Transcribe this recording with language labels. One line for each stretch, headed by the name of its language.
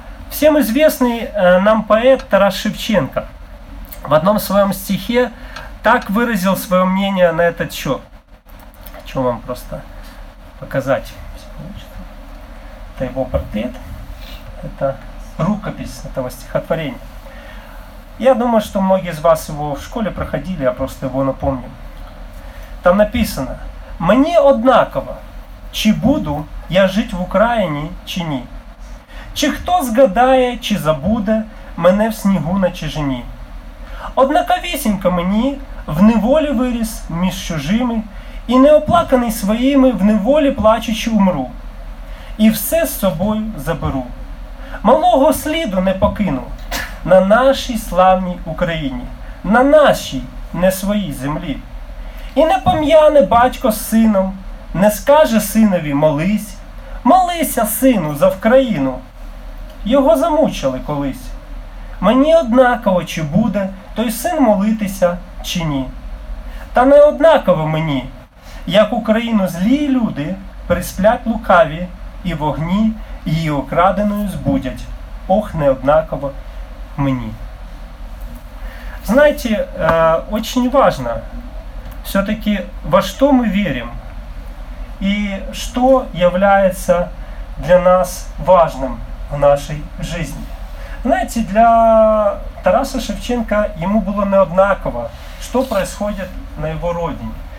Russian: Всем известный нам поэт Тарас Шевченко в одном своем стихе так выразил свое мнение на этот счет. Хочу вам просто показать. Это его портрет. Это рукопись этого стихотворения. Я думаю, что многие из вас его в школе проходили, я просто его напомню. Там написано:
Ukrainian: «Мне однаково, чи буду я жить в Украине, чи ні. Чи хто згадає, чи забуде мене в снігу на чижині. Однаковісінько мені, в неволі виріс між чужими, і неоплаканий своїми, в неволі плачучи умру. І все з собою заберу. Малого сліду не покину на нашій славній Україні, на нашій, не своїй землі. І не пом'яне батько з сином, не скаже синові молись, молися сину за Вкраїну. Його замучили колись. Мені однаково, чи буде той син молитися, чи ні. Та не однаково мені, як Україну злі люди присплять лукаві, і вогні її окраденою збудять. Ох, неоднаково мені.
Russian: Знаете, очень важно все-таки, во что мы верим и что является для нас важным в нашей жизни. Знаете, для Тараса Шевченко ему было неоднаково, что происходит на его родине.